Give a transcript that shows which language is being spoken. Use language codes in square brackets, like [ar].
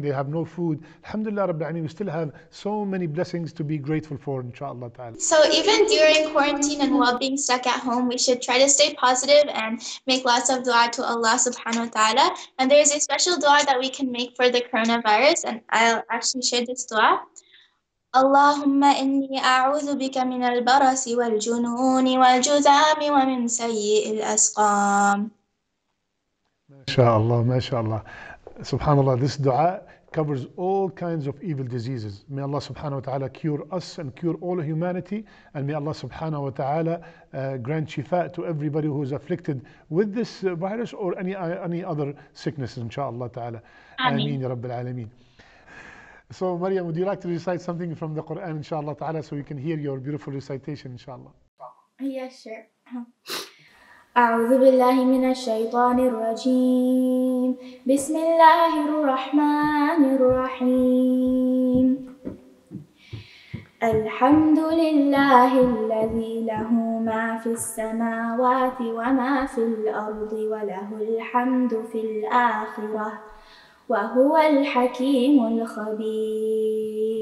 [en] They have no food. Alhamdulillah, Rabbil Alameen, we still have so many blessings to be grateful for, inshaAllah ta'ala. So even during quarantine and while being stuck at home, we should try to stay positive and make lots of dua to Allah subhanahu wa ta'ala. And there is a special dua that we can make for the coronavirus. And I'll actually share this dua. [ar] اللهم إني أعوذ بك من البرص والجنون والجذام ومن سيء الأسقام. ما شاء الله ما شاء الله. سبحان الله. [en] This dua covers all kinds of evil diseases. May Allah subhanahu wa ta'ala cure us and cure all humanity. And may Allah subhanahu wa ta'ala grant shifa to everybody who is afflicted with this virus or any other sickness, inshaAllah ta'ala. Ameen. Ya Rabbil Alameen. So Maryam, would you like to recite something from the Quran, inshaAllah ta'ala, so we can hear your beautiful recitation, inshaAllah? Yes, sure. [ar] أعوذ بالله من الشيطان الرجيم بسم الله الرحمن الرحيم الحمد لله الذي له ما في السماوات وما في الأرض وله الحمد في الآخرة وهو الحكيم الخبير